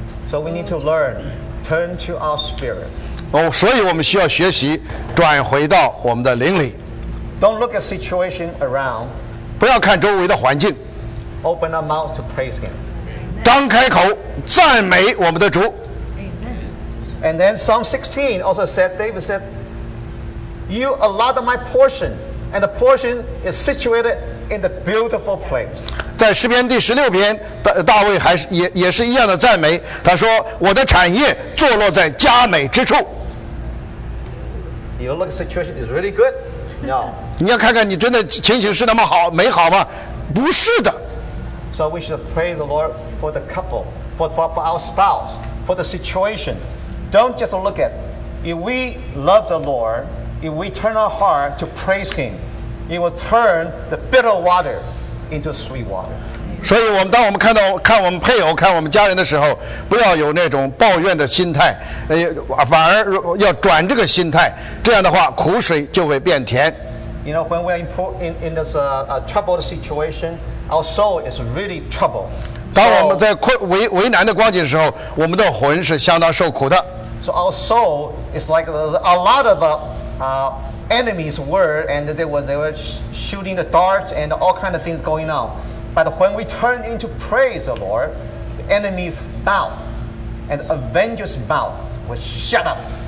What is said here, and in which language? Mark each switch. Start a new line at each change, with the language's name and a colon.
English: So we need to learn, turn to our spirit.
Chinese: 所以我们需要学习转回到我们的灵里。
English: Don't look at situation around.
Chinese: 不要看周围的环境
English: Open our mouth to praise him.
Chinese: 张开口赞美我们的主
English: And then Psalm 16 also said David said You allotted my portion And the portion is situated in the beautiful place
Chinese: 在诗篇第十六篇 大卫还是 也是一样的赞美他说我的产业坐落在佳美之处
English: you look situation is really good? No.
Chinese: 你要看看你真的情形是那么好美好吗？不是的。
English: So we should pray the Lord for the couple, for our spouse, for the situation. Don't just look at. If we love the Lord, if we turn our heart to praise Him, He will turn the bitter water into sweet water.
Chinese: 所以我们当我们看到看我们配偶看我们家人的时候，不要有那种抱怨的心态，反而要转这个心态，这样的话苦水就会变甜。
English: You know, when we are in this troubled situation, our soul is really troubled.
Chinese: 当我们在为难的光景的时候，我们的魂是相当受苦的。
English: So our soul is like a lot of enemies were, and they were shooting the darts and all kind of things going on. But when we turn into praise the Lord, the enemy's mouth and avenger's mouth will shut up.